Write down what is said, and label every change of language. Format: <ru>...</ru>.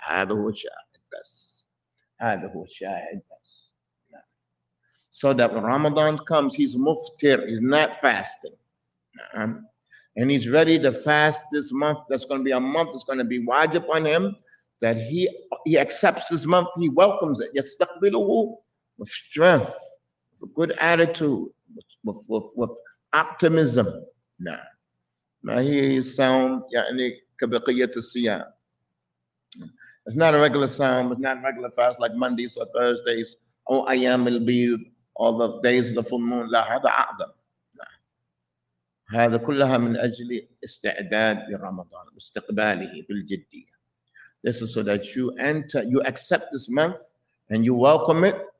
<ar>هذا هو الشاهد بس. هذا هو الشاهد بس.</ar> <en>So that when Ramadan comes, he's muftir, he's not fasting. And he's ready to fast this month. That's going to be a month that's going to be wajib on him. That he accepts this month, he welcomes it.</en> <ar>يستقبله</ar> <en>with strength, with a good attitude, with optimism.</en> <ar>نعم. ما هي صوم يعني كبقية الصيام.</ar> <en>It's not a regular psalm, it's not a regular fast like Mondays or Thursdays. Oh, ayyam al-bidh, all the days of the full moon.</en> <ar>لا, هذا أعظم. هذا كلها من أجل استعداد لرمضان, استقباله بالجدية.</ar> <en>This is so that you enter, you accept this month and you welcome it.</en>